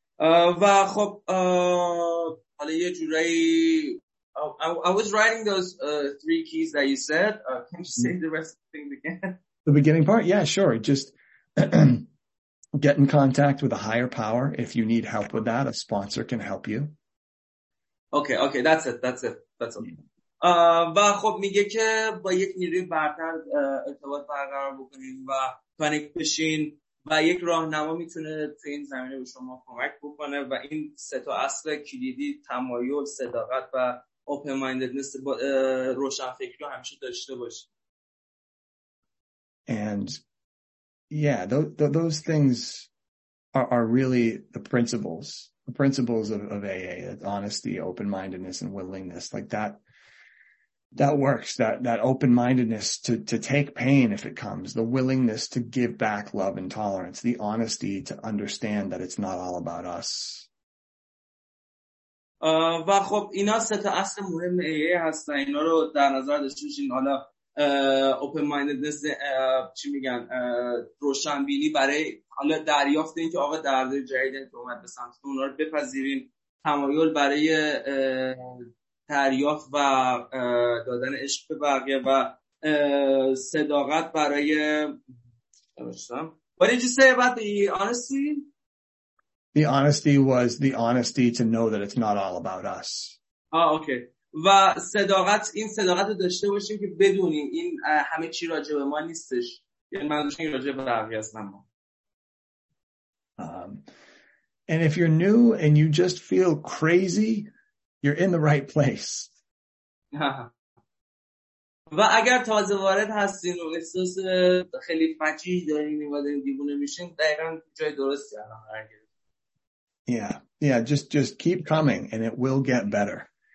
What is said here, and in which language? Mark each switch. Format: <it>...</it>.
<fa>و خب حالا یه جورایی</fa> <en>I was writing those three keys that you said. Can you say the rest of the thing again? The beginning part? Yeah, sure. Just get in contact with a higher power. If you need help with that, a sponsor can help you. Okay, that's it.</en> <fa>و خب میگه که با یک نیروی برتر ارتباط برقرار بکنین و کانکت بشین و یک راهنما میتونه تو این زمینه به شما کمک بکنه و این سه تا اصل کلیدی تمایل، صداقت و open mindedness روشن فکری رو همیشه داشته باشه.</fa> <en>And yeah, those things are really the principles of AA, honesty, open mindedness and willingness. Like that that works, that open-mindedness to take pain if it comes, the willingness to give back love and tolerance, the honesty to understand that it's not all about us.</en> <fa>و خب اینا سه تا اصل مهم AA هستن. اینا رو در نظر داشته باشین. حالا open mindedness چی میگن؟ روشنبینی برای حالا دریافت این که آقا درد جدید که اومد به سمتتون، اونا رو بپذیرین. تمایل برای دریافت و دادن عشق به بقیه و صداقت برای داشتم.</fa> <en>What did you say about the honesty? The honesty was the honesty to know that it's not all about us. Ah, okay.</en> <fa>و صداقت، این صداقت رو داشته باشیم که بدونیم این همه چی راجع به ما نیستش. یعنی منظورش این راجع به بقیه است ما.</fa> <en>And if you're new and you just feel crazy, you're in the right place.</en> <fa>و اگر تازه وارد هستین و احساس خیلی فجیع دارین و دارین دیوونه میشین، دقیقاً جای درستی الان قرار گرفتین.</fa> <en>Yeah. Just keep coming and it will get better.</en>